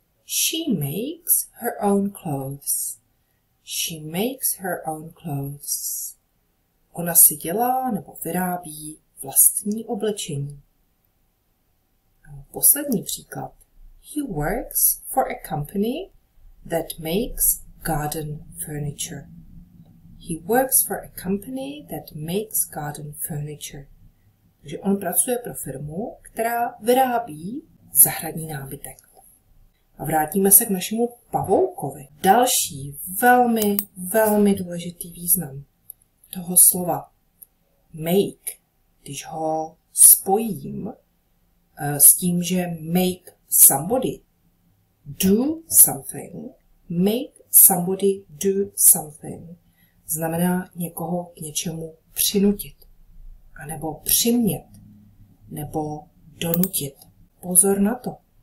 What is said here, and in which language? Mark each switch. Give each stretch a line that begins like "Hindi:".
English: She makes her own clothes. She makes her own clothes.
Czech: Ona si dělá nebo vyrábí vlastní oblečení. Poslední příklad.
English: He works for a company that makes garden furniture. He works for a company that makes garden furniture.
Czech: Takže on pracuje pro firmu, která vyrábí zahradní nábytek. A vrátíme se k našemu pavoukovi. Další velmi, velmi důležitý význam toho slova make, když ho spojím s tím, že
English: make somebody do something, make somebody do something,
Czech: znamená někoho k něčemu přinutit, anebo přimět, nebo donutit. Pozor na to.